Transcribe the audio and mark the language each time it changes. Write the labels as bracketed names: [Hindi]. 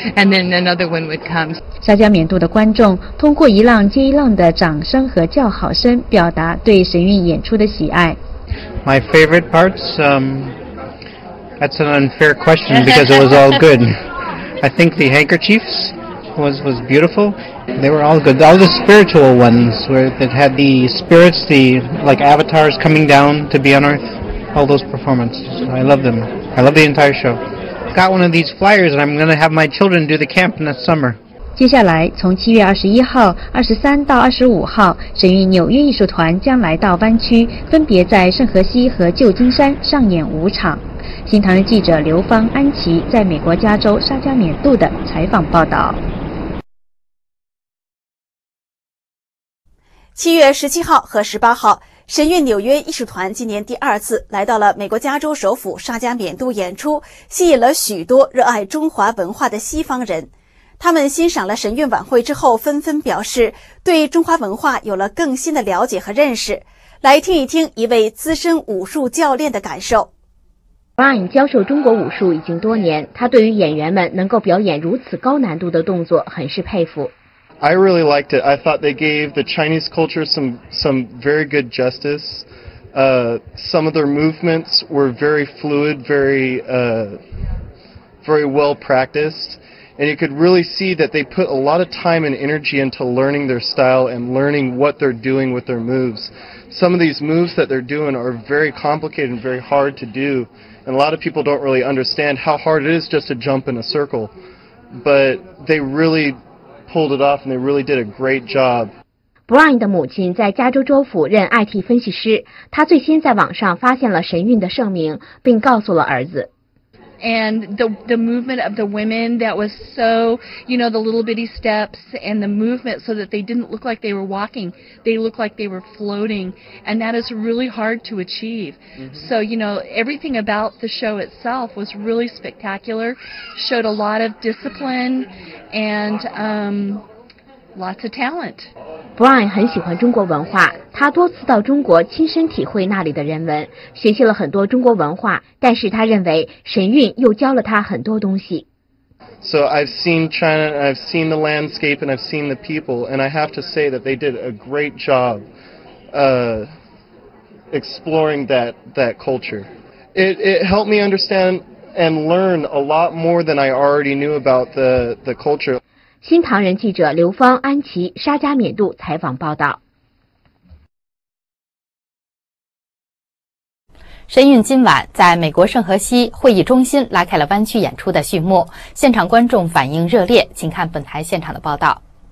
[English] And then another one would come. [Chinese] 沙加缅度的观众通过一浪接一浪的掌声和叫好声，表达对神韵演出的喜爱。 [English] My favorite parts, that's an unfair question because it was all good. I think the handkerchiefs was beautiful. They were all good. All the spiritual ones where that had the spirits, the like avatars coming down to be on Earth. All those performances, I love them. I love the entire show. Got one of these flyers, and I'm going to have my children do the camp in the summer. [Chinese] 接下来，从7月21号、23到25号，神韵纽约艺术团将来到湾区，分别在圣荷西和旧金山上演五场。新唐人记者刘芳、安琪在美国加州沙加缅度的采访报道。 7月17号和18号。神韵纽约艺术团今年第二次来到了美国加州首府沙加缅度演出，吸引了许多热爱中华文化的西方人。他们欣赏了神韵晚会之后，纷纷表示对中华文化有了更新的了解和认识。来听一听一位资深武术教练的感受。 Brian 教授中国武术已经多年，他对于演员们能够表演如此高难度的动作很是佩服。 [English] I really liked it. I thought they gave the Chinese culture some very good justice. Some of their movements were very fluid, very well practiced. And you could really see that they put a lot of time and energy into learning their style and learning what they're doing with their moves. Some of these moves that they're doing are very complicated and very hard to do. And a lot of people don't really understand how hard it is just to jump in a circle. But they really pulled it off and they really did a great job. [Chinese] Brian 的母亲在加州州府任 IT 分析师，他最先在网上发现了神韵的盛名，并告诉了儿子。 [English] And the movement of the women that was so, you know, the little bitty steps and the movement so that they didn't look like they were walking, they looked like they were floating. And that is really hard to achieve. Mm-hmm. So, you know, everything about the show itself was really spectacular, showed a lot of discipline and lots of talent. [Chinese] Brian 很喜欢中国文化，他多次到中国亲身体会那里的人文，学习了很多中国文化，但是他认为神韵又教了他很多东西。 [English] So I've seen China, and I've seen the landscape, and I've seen the people, and I have to say that they did a great job exploring that culture. It helped me understand and learn a lot more than I already knew about the culture. [Chinese] 新唐人记者刘芳、安琪、沙加缅度采访报道。神韵今晚在美国圣何西会议中心拉开了湾区演出的序幕，现场观众反应热烈，请看本台现场的报道。